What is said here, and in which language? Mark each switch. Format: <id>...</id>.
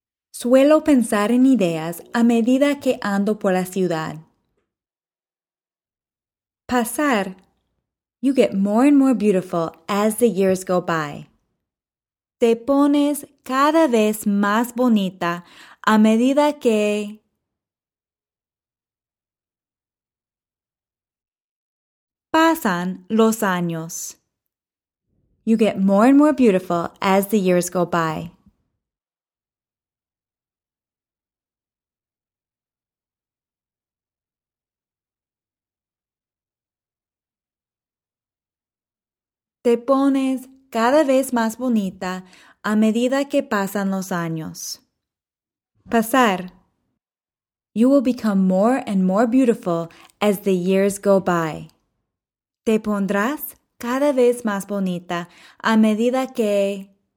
<es>Suelo pensar en ideas a medida que ando por la ciudad. Pasar.</es> <en>You get more and more beautiful as the years go by.</en> <es>Te pones cada vez más bonita a medida que. Pasan los años.</es> <en>You get more and more beautiful as the years go by.</en> <es>Te pones cada vez más bonita a medida que pasan los años. Pasar.</es> <en>You will become more and more beautiful as the years go by.</en> <es>Te pondrás cada vez más bonita a medida que.</es>